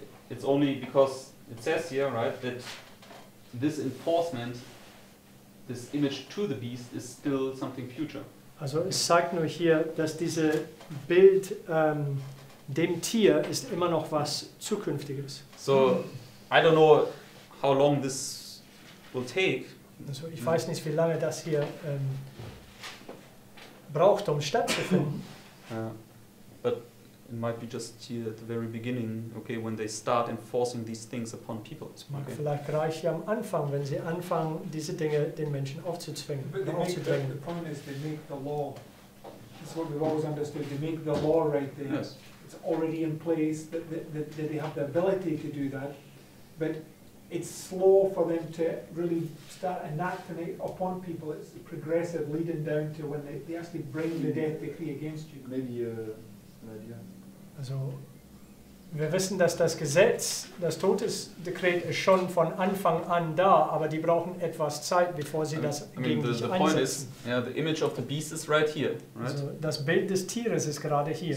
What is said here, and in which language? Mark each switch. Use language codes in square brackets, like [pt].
[en] It's only because it says here, right, that this enforcement, this image to the beast, is still something future. [de] Also es sagt nur hier, dass dieses Bild dem Tier ist immer noch was Zukünftiges. [en] So, I don't know how long this will take. [de] Also ich weiß nicht, wie lange das hier braucht, um stattzufinden. [en] But it might be just here at the very beginning, okay, when they start enforcing these things upon people. [de] Es mag vielleicht gleich hier am Anfang, wenn sie anfangen, diese Dinge den Menschen aufzuzwingen. [en] The point is, they make the law. That's what we've always understood. They make the law right there. Yes. It's already in place that they have the ability to do that. But it's slow for them to really start enacting it upon people. It's progressive, leading down to when they actually bring the death decree against you. Maybe [de] also, wir wissen, dass das Gesetz, das Todesdekret, ist schon von Anfang an da, aber die brauchen etwas Zeit, bevor sie das gegen dich einsetzen. [en] The point is, yeah, the image of the beast is right here, right? [de] Also, das Bild des Tieres ist gerade hier.